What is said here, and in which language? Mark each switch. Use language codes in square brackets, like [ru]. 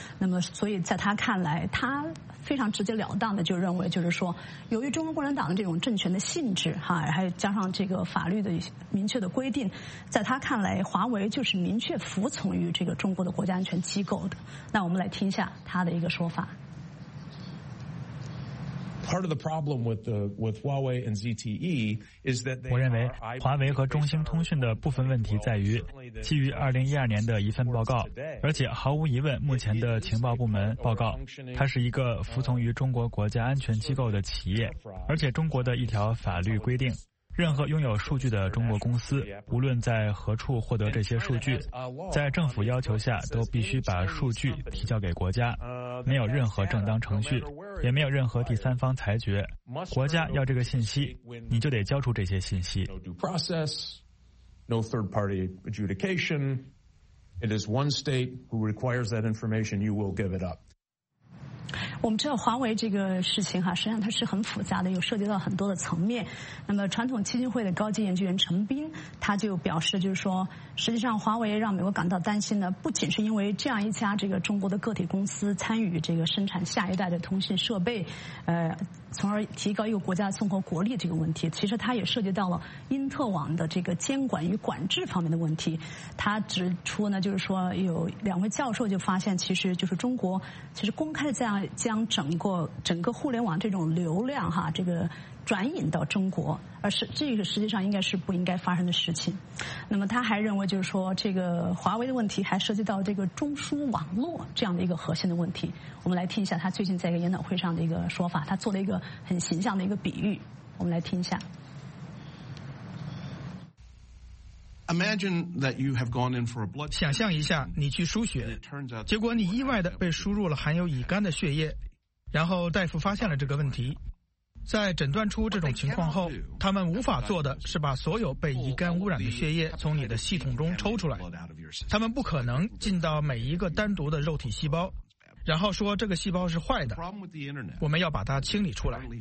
[zh] 那么所以在他看来，他非常直截了当的就认为，就是说由于中国共产党的这种政权的性质哈，还有加上这个法律的明确的规定，在他看来华为就是明确服从于这个中国的国家安全机构的。那我们来听一下他的一个说法。 [en] Part of the problem with Huawei and ZTE is that they. [zh] 我认为华为和中兴通讯的部分问题在于，基于2012年的一份报告，而且毫无疑问，目前的情报部门报告，它是一个服从于中国国家安全机构的企业，而且中国的一条法律规定，任何拥有数据的中国公司，无论在何处获得这些数据，在政府要求下都必须把数据提交给国家，没有任何正当程序，也没有任何第三方裁决。国家要这个信息，你就得交出这些信息。 [en] No due process, no third party adjudication. It is one state who requires that information, you will give it up. [zh] 我们知道华为这个事情哈，实际上它是很复杂的，有涉及到很多的层面。那么传统基金会的高级研究员陈斌他就表示，就是说实际上华为让美国感到担心呢，不仅是因为这样一家这个中国的个体公司参与这个生产下一代的通信设备，从而提高一个国家综合国力这个问题，其实它也涉及到了因特网的这个监管与管制方面的问题。他指出呢，就是说有两位教授就发现，其实就是中国其实公开这样将整个互联网这种流量哈，这个转引到中国，而是这个实际上应该是不应该发生的事情。那么他还认为，就是说这个华为的问题还涉及到这个中枢网络这样的一个核心的问题。我们来听一下他最近在一个研讨会上的一个说法，他做了一个很形象的一个比喻，我们来听一下。 [en] Imagine that you have gone in for a blood. [zh] 想象一下，你去输血，结果你意外的被输入了含有乙肝的血液，然后大夫发现了这个问题。在诊断出这种情况后，他们无法做的是把所有被乙肝污染的血液从你的系统中抽出来。他们不可能进到每一个单独的肉体细胞，然后说这个细胞是坏的，我们要把它清理出来。